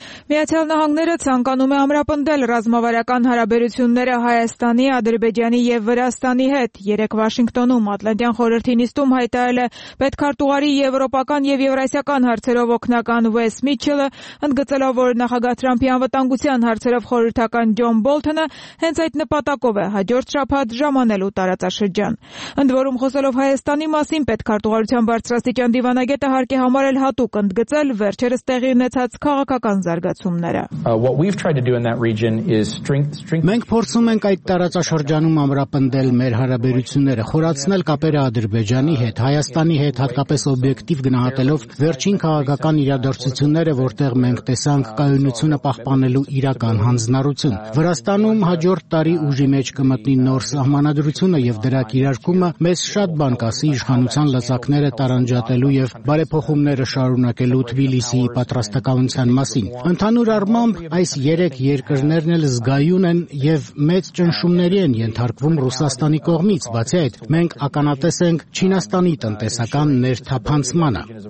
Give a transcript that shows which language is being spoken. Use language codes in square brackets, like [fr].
[hy] Միացյալ Նահանգները ցանկանում է ամրապնդել ռազմավարական հարաբերությունները Հայաստանի, Ադրբեջանի և Վրաստանի հետ։ Երեկ Վաշինգտոնում Ատլանտյան խորհրդի նիստում հայտարարել է պետքարտուղարի եվրոպական և եվրասիական հարցերով օգնական Ուես Միչելը, ընդգծելով, որ նախագահ Թրամփի անվտանգության հարցերով խորհրդական Ջոն Բոլթոնը հենց այդ նպատակով է հաջորդ շաբաթ ժամանելու տարածաշրջան։ Ընդ որում, խոսելով Հայաստանի մասին, պետքարտուղարության բարձրաստիճան դիվանագետը հարկ է համարել հատուկ ընդգծել վերջերս տեղի ունեցած քաղաքական [en] What we've tried to do in that region is strengthen. [hy] Մենք փորձում ենք այդ տարածաշրջանում ամրապնդել մեր հարաբերությունները, խորացնել կապերը Ադրբեջանի հետ, Հայաստանի հետ, հատկապես օբյեկտիվ գնահատելով վերջին քաղաքական իրադարձությունները, որտեղ մենք տեսանք կայունությունը պահպանելու իրական հանձնարարություն։ Վրաստանում հաջորդ տարի ուժի մեջ կմտնի նոր սահմանադրությունը և դրա կիրարկումը մեզ շատ բան կասի իշխանության լծակները տարանջատելու և բարեփոխումները շարունակելու Թբիլիսիի պատրաստակամության մասին։ Ընդհանուր առմամբ այս 3 երկրներն էլ զգայուն են և մեծ ճնշումների են ենթարկվում Ռուսաստանի կողմից, բացի այդ, մենք ականատես ենք Չինաստանի տնտեսական ներթափանցմանը։